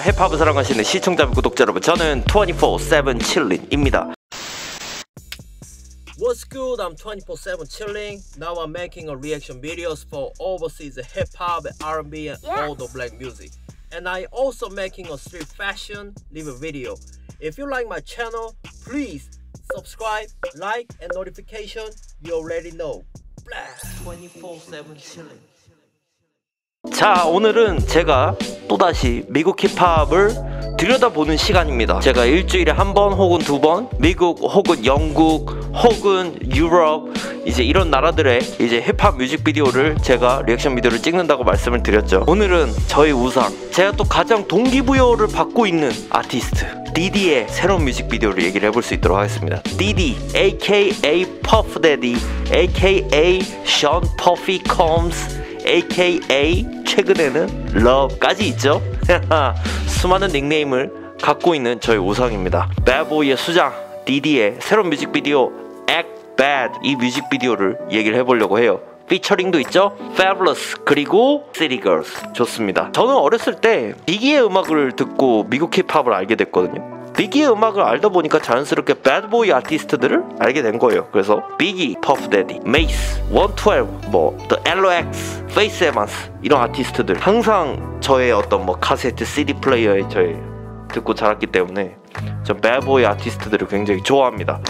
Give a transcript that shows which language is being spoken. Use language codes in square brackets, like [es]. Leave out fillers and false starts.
[ko] 힙합을 사랑하시는 시청자 구독자 여러분, 저는 24/7 칠린입니다. [en] What's good? I'm 24/7 chilling. Now I'm making a reaction videos for overseas hip hop, R&B, and yes. all the black music. And I also making a street fashion live video. If you like my channel, please subscribe, like, and notification. You already know. Blast 24/7 chilling. [ko] 자, 오늘은 제가 또다시 미국 힙합을 들여다보는 시간입니다. 제가 일주일에 한 번 혹은 두 번 미국 혹은 영국 혹은 유럽 이제 이런 나라들의 이제 힙합 뮤직비디오를 제가 리액션 비디오를 찍는다고 말씀을 드렸죠. 오늘은 저희 우상, 제가 또 가장 동기부여를 받고 있는 아티스트 디디의 새로운 뮤직비디오를 얘기를 해볼 수 있도록 하겠습니다. 디디 aka Puff Daddy aka Sean Puffy Combs aka 최근에는 러브까지 있죠. 수많은 닉네임을 갖고 있는 저희 우상입니다. 배보이의 수장 디디의 새로운 뮤직비디오 Act Bad, 이 뮤직비디오를 얘기를 해보려고 해요. 피처링도 있죠. Fabulous 그리고 City Girls. 좋습니다. 저는 어렸을 때 비기의 음악을 듣고 미국 힙합을 알게 됐거든요. 비기의 음악을 알다 보니까 자연스럽게 배드보이 아티스트들을 알게 된 거예요. 그래서 비기, 퍼프 데디, 메이스, 112, 뭐 더 LOX, 페이스 에반스 이런 아티스트들 항상 저의 어떤 뭐 카세트, CD 플레이어에 저의 듣고 자랐기 때문에 전 배드보이 아티스트들을 굉장히 좋아합니다.